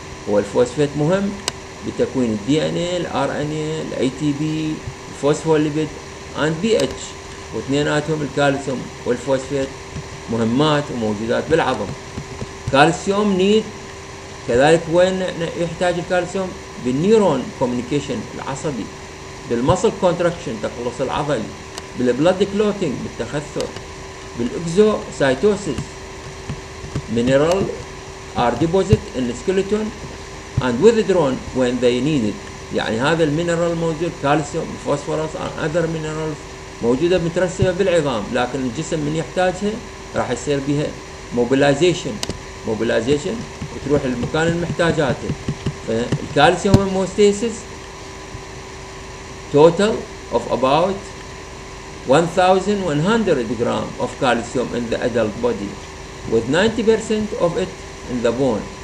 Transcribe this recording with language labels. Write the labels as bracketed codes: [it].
[ar] هو الفوسفيت مهم بتكوين DNA RNA ATP phospholipid and pH واثنيناتهم الكالسيوم والفوسفيت مهمات وموجودات بالعظم كالسيوم نيد كذلك وين يحتاج الكالسيوم بالنيرون كوميونيكيشن العصبي بالمسل كونتراكشن تقلص العضلي بالبلد كلوتينج بالتخثر بالاكزوسايتوسيس مينرال [en] are deposited in the skeleton and withdrawn when they need it. [ar] يعني هذا المينرال موجود كالسيوم فوسفورس [en] other minerals [ar] موجودة مترسبة بالعظام لكن الجسم من يحتاجها راح يصير بها mobilization وتروح للمكان المحتاجاته. فالكالسيوم [en] homeostasis total of about 1100 gram of calcium in the adult body with 90% of it in the bone.